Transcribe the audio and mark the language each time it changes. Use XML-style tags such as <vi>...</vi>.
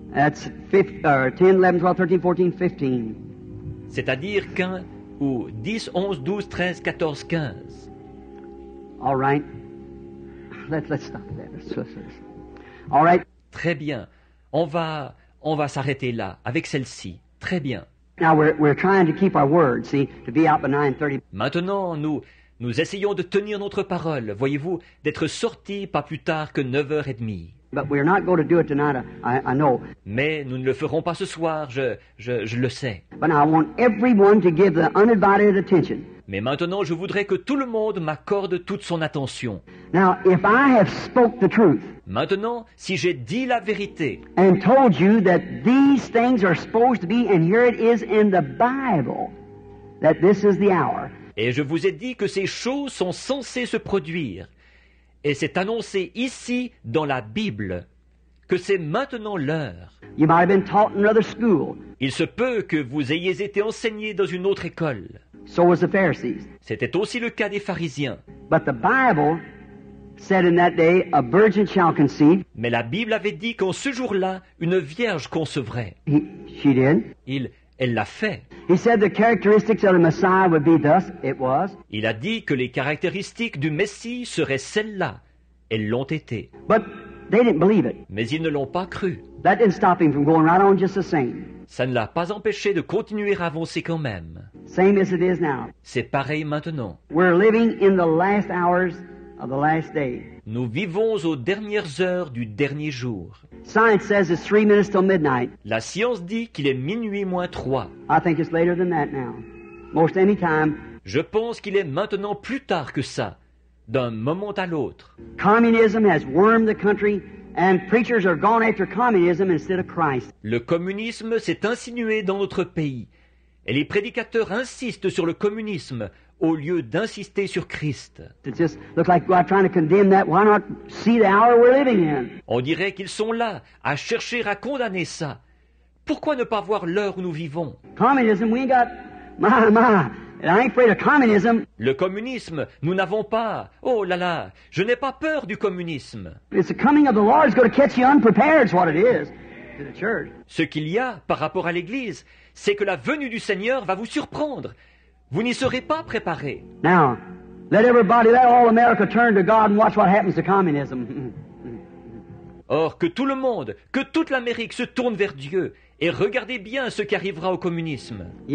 <en>That's 10, 11, 12, 13, 14, 15.</en> <fr>C'est-à-dire 15 ou 10, 11, 12, 13, 14, 15.</fr> <en>All right. Let's stop there. All right.</en> <fr>Très bien. On va s'arrêter là avec celle-ci. Très bien.</fr> <en>Now we're trying to keep our word, see, to be out by 9:30.</en> <fr>Maintenant, nous essayons de tenir notre parole, voyez-vous, d'être sortis pas plus tard que 9h30.</fr> <en>But we're not going to do it tonight. I know.</en> <fr>Mais nous ne le ferons pas ce soir, je le sais.</fr> <en>But I want everyone to give the uninvited attention.</en> <fr>Mais maintenant, je voudrais que tout le monde m'accorde toute son attention.</fr> <en>Now, if I have spoke the truth,</en> <fr>maintenant, si j'ai dit la vérité</fr> <en>and told you that these things are supposed to be, and here it is in the Bible, that this is the hour.</en> <fr>Et je vous ai dit que ces choses sont censées se produire, et c'est annoncé ici dans la Bible que c'est maintenant l'heure.</fr> <en>You might have been taught in another school.</en> <fr>Il se peut que vous ayez été enseigné dans une autre école.</fr> <en>So was the Pharisees.</en> <fr>C'était aussi le cas des pharisiens.</fr> <en>But the Bible said in that day a virgin shall conceive.</en> <fr>Mais la Bible avait dit qu'en ce jour-là, une vierge concevrait.</fr> <en>She did.</en> <fr>Elle l'a fait.</fr> <en>He said the characteristics of the Messiah would be thus. It was.</en> <fr>Il a dit que les caractéristiques du Messie seraient celles-là. Elles l'ont été.</fr> <en>But they didn't believe it.</en> <fr>Mais ils ne l'ont pas cru.</fr> <en>That didn't stop him from going right on just the same.</en> <fr>ça ne l'a pas empêché de continuer à avancer quand même.</fr> <en>Same as it is now.</en> <fr>C'est pareil maintenant.</fr> <en>We're living in the last hours of the last day.</en> <fr>Nous vivons aux dernières heures du dernier jour.</fr> <en>Science says it's 3 minutes till midnight.</en> <fr>La science dit qu'il est minuit moins trois.</fr> <en>I think it's later than that now. Most any time.</en> <fr>Je pense qu'il est maintenant plus tard que ça, d'un moment à l'autre.</fr> <en>Communism has wormed the country. And preachers are gone after communism instead of Christ.</en> <fr>Le communisme s'est insinué dans notre pays. Et les prédicateurs insistent sur le communisme au lieu d'insister sur Christ.</fr> <en>It just looks like God trying to condemn that. Why not see the hour we're living in?</en> <fr>On dirait qu'ils sont là à chercher à condamner ça. Pourquoi ne pas voir l'heure où nous vivons?</fr> <en>Communism, we ain't got my. And I ain't afraid of communism.</en> <fr>Le communisme, nous n'avons pas. Oh là là, je n'ai pas peur du communisme.</fr> <en>It's the coming of the Lord is going to catch you unprepared, is what it is, to the church.</en> <fr>Ce qu'il y a par rapport à l'Église, c'est que la venue du Seigneur va vous surprendre. Vous n'y serez pas préparé.</fr> <en>Now, let everybody, let all America turn to God and watch what happens to communism.</en> <fr>Or, que tout le monde, que toute l'Amérique se tourne vers Dieu. Et regardez bien ce qui arrivera au communisme.</fr>